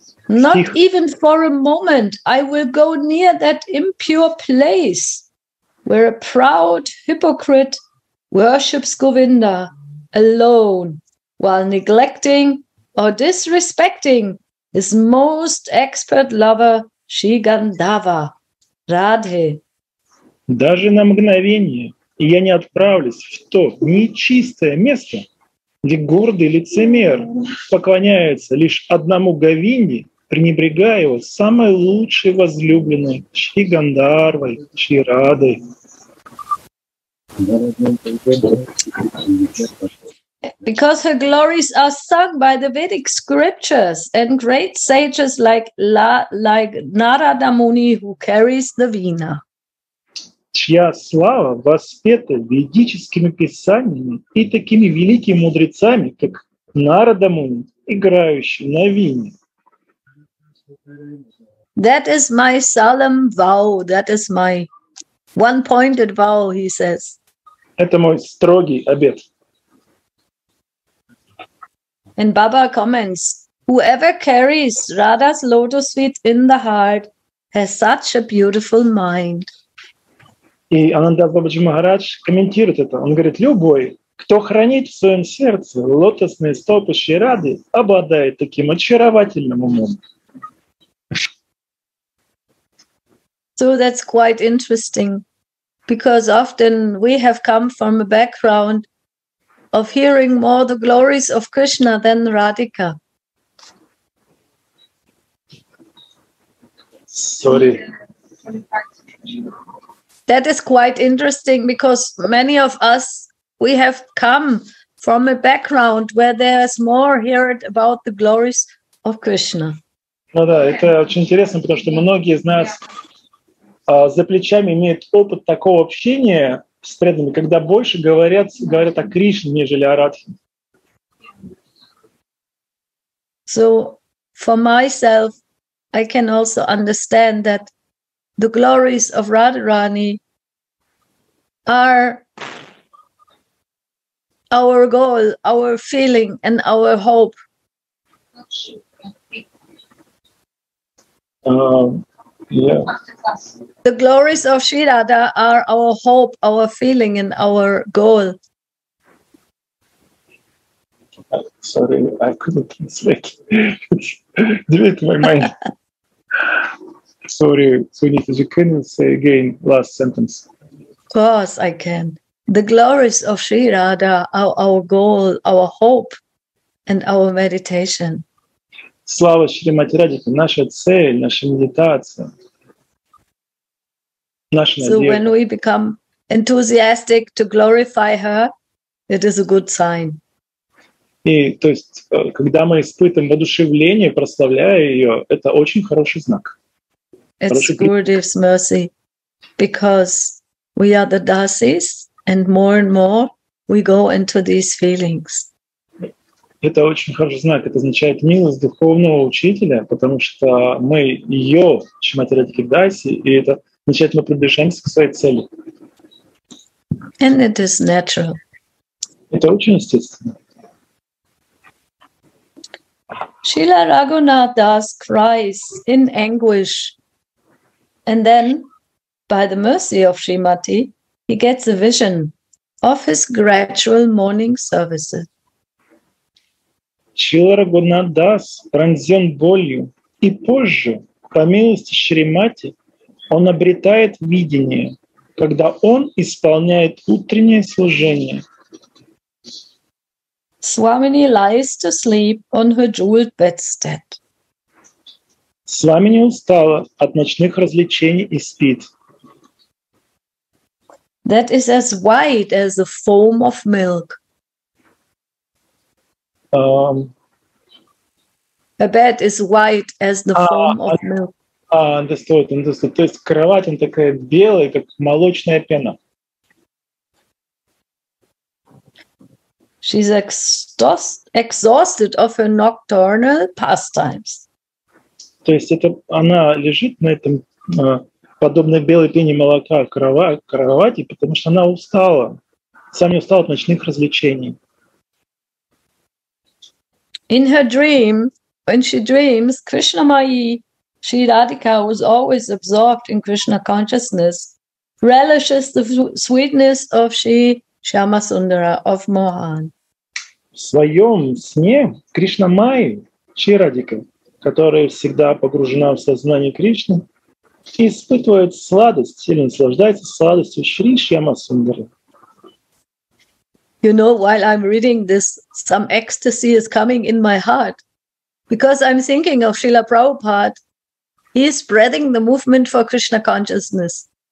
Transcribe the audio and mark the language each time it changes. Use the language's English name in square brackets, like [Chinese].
[English] Not even for a moment I will go near that impure place where a proud hypocrite worships Govinda alone while neglecting or disrespecting his most expert lover, Shri Gandhava, Radhe. [Russian] Даже на мгновение я не отправлюсь в то нечистое место, где гордый лицемер поклоняется лишь одному Говинде, пренебрегая его самой лучшей возлюбленной, Шри Гандхарвой, Шри Радой. [English] Because her glories are sung by the Vedic scriptures and great sages like Narada Muni, who carries the Veena. [Russian] Чья слава воспета ведическими писаниями и такими великими мудрецами, как Нарада Муни, играющий на Вине. [English] That is my solemn vow. That is my one-pointed vow, he says. [Russian] Это мой строгий обет. [English] And Baba comments, whoever carries Radha's lotus feet in the heart has such a beautiful mind. [Russian] И Анандас Бабаджи Махарадж комментирует это. Он говорит, любой, кто хранит в своем сердце лотосные стопы Шри Рады, обладает таким очаровательным умом. [English] So that's quite interesting, because often we have come from a background of hearing more the glories of Krishna than Radhika. Sorry. That is quite interesting because many of us, we have come from a background where there is more heard about the glories of Krishna. [Russian] Ну да, это очень интересно, потому что многие из нас за плечами имеют опыт такого общения с преданными, когда больше говорят о Кришне, нежели о Радхе. [English] So for myself, I can also understand that the glories of Radharani are our goal, our feeling, and our hope. The glories of Shri Radha are our hope, our feeling, and our goal. Sorry, I couldn't speak. Delete my mind. Sorry, Sunita, can you say again last sentence? Of course I can. The glories of Shri Radha are our goal, our hope, and our meditation. [Russian] Слава Шримати Раде, это наша цель, наша медитация. Наша [English] so [Russian] надежда. [English] When we become enthusiastic to glorify her, it is a good sign. [Russian] И то есть, когда мы испытываем воодушевление, прославляя ее, это очень хороший знак. [English] It's Gurudev's mercy, because we are the dasis, and more we go into these feelings. [Russian] Это очень хороший знак. Это означает милость духовного учителя, потому что мы ее, Шримати Радхе Даси, и это означает, мы приближаемся к своей цели. [English] And it is natural. [Russian] Это очень естественно. [English] Шрила Рагхунат Дас cries in anguish. And then, by the mercy of Shrimati, he gets a vision of his gradual morning services. [Russian] Шрила Рагхунат Дас пронзен болью, и позже, по милости Шримати, он обретает видение, когда он исполняет утреннее служение. [English] Swamini lies to sleep on her jeweled bedstead. [Russian] Свамини устала от ночных развлечений и спит. [English] That is as white as a foam of milk. A bed is white as the foam of milk. Understood. [Russian] То есть кровать, она такая белая, как молочная пена. [English] She's exhausted of her nocturnal pastimes. [Russian] То есть это она лежит на этом подобной белой пене молока кровати, потому что она устала. Сам не устала от ночных развлечений. [English] In her dream, when she dreams, Krishna Mayi, Sri Radhika, was always absorbed in Krishna consciousness, relishes the sweetness of Sri Shyama Sundara, of Mohan. [Russian] В своем сне Кришна Майи, Шри Радика, которая всегда погружена в сознание Кришны, испытывает сладость или наслаждается сладостью Шри Шьяма Сундары. [English] You know, while I'm reading this, some ecstasy is coming in my heart. Because I'm thinking of Srila Prabhupada, he is spreading the movement for Krishna consciousness.